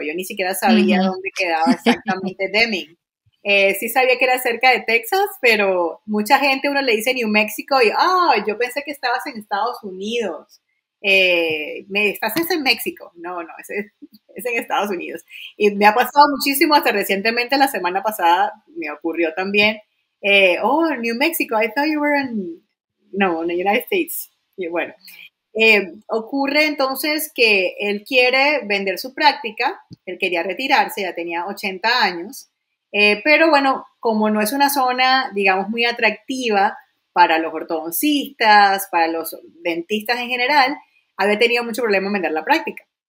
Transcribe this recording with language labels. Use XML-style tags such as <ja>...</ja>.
<es>Yo ni siquiera sabía dónde quedaba exactamente Deming. Sí sabía que era cerca de Texas, pero mucha gente, uno le dice New Mexico y, ¡ah! Oh, yo pensé que estabas en Estados Unidos. ¿Estás en México? No, es en Estados Unidos. Y me ha pasado muchísimo, hasta recientemente, la semana pasada, me ocurrió también.</es> <en>New Mexico, I thought you were in the United States.</en> <es>Y bueno, ocurre entonces que él quiere vender su práctica, él quería retirarse, ya tenía 80 años. Pero bueno, como no es una zona, digamos, muy atractiva para los ortodoncistas, para los dentistas en general, había tenido mucho problema en vender la práctica.</es>